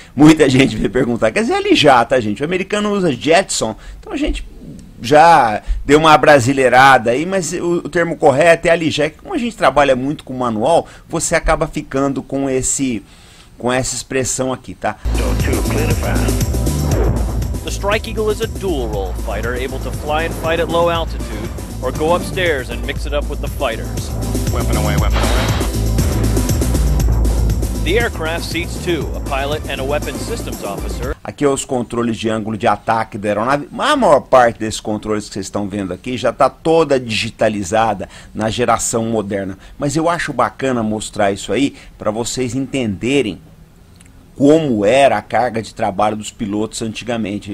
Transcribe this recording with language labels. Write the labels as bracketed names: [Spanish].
[Portuguese] Muita gente veio perguntar, quer dizer, ali já, tá, gente? O americano usa jetson, então a gente já deu uma brasileirada aí, mas o termo correto é alijar. Como a gente trabalha muito com manual, você acaba ficando com essa expressão aqui, tá? [English] The Strike Eagle is a dual role fighter, able to fly and fight at low altitude or go upstairs and mix it up with the fighters. Weapon away, weapon away. The aircraft seats two, a pilot and a weapons systems officer. [Portuguese] Aqui é os controles de ângulo de ataque da aeronave. Mas a maior parte desses controles que vocês estão vendo aqui já está toda digitalizada na geração moderna. Mas eu acho bacana mostrar isso aí para vocês entenderem como era a carga de trabalho dos pilotos antigamente.